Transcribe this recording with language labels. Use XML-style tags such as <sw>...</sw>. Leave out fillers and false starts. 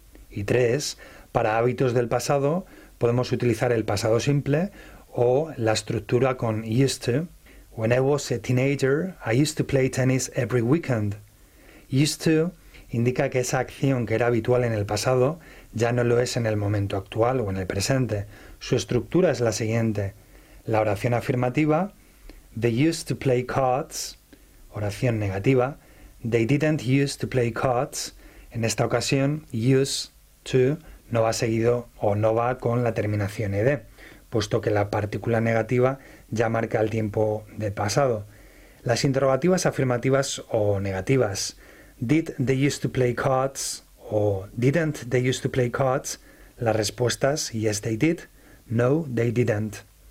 <es>Y tres, para hábitos del pasado, podemos utilizar el pasado simple o la estructura con used to.</es> <en>When I was a teenager, I used to play tennis every weekend.</en> <es>Used to indica que esa acción que era habitual en el pasado ya no lo es en el momento actual o en el presente. Su estructura es la siguiente. La oración afirmativa,</es> <en>they used to play cards,</en> <es>oración negativa,</es> <en>they didn't used to play cards.</en> <es>En esta ocasión, used to no va seguido o no va con la terminación ed, puesto que la partícula negativa ya marca el tiempo del pasado. Las interrogativas afirmativas o negativas,</es> <en>did they used to play cards</en> <es>o</es> <en>didn't they used to play cards,</en> <es>las respuestas,</es> <en>yes they did, no they didn't.</en>